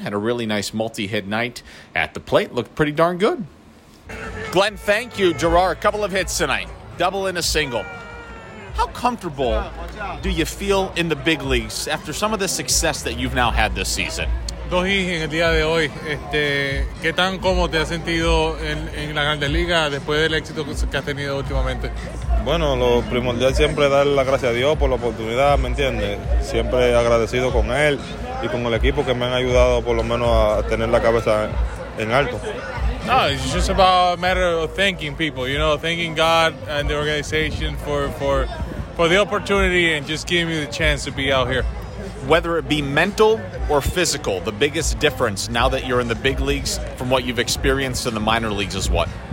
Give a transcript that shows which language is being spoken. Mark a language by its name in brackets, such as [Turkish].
[English] Had a really nice multi-hit night at the plate. Looked pretty darn good. Glenn, thank you. Yarar, a couple of hits tonight. Double and a single. How comfortable do you feel in the big leagues after some of the success that you've now had this season? [Spanish] Dos hits en el día de hoy. ¿Qué tan cómodo te has sentido en la Grande Liga después del éxito que has tenido últimamente? Bueno, lo primordial siempre es dar la gracia a Dios por la oportunidad, ¿me entiendes? Siempre agradecido con él y con el equipo que me han ayudado por lo menos a tener la cabeza en alto. [English] No, it's just about a matter of thanking people, you know, thanking God and the organization for the opportunity and just giving me the chance to be out here. Whether it be mental or physical, the biggest difference now that you're in the big leagues from what you've experienced in the minor leagues is what?